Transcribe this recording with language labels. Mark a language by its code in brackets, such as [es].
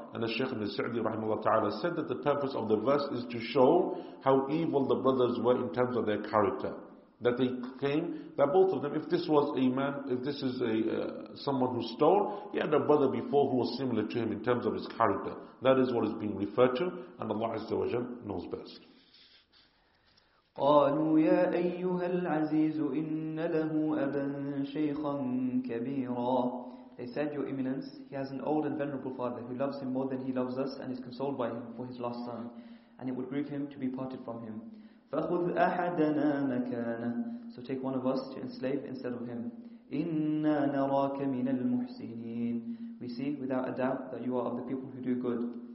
[en] And as Shaykh Ibn Sa'di rahimahullah ta'ala said, that the purpose of the verse is to show how evil the brothers were in terms of their character. That they claim that both of them, if this is someone who stole, he had a brother before who was similar to him in terms of his character. That is what is being referred to, and Allah Azza wa Jal knows best. [ar] قالوا يا أيها العزيز إن له أبا شيخا كبيرا. [en] They said, Your Eminence, he has an old and venerable father who loves him more than he loves us and is consoled by him for his lost son, and it would grieve him to be parted from him. [ar] فَخُذْ أَحَدَنَا مَكَانَهُ. [en] So take one of us to enslave instead of him. [ar] إِنَّا نَرَاكَ مِنَ الْمُحْسِنِينَ. [en] We see without a doubt that you are of the people who do good.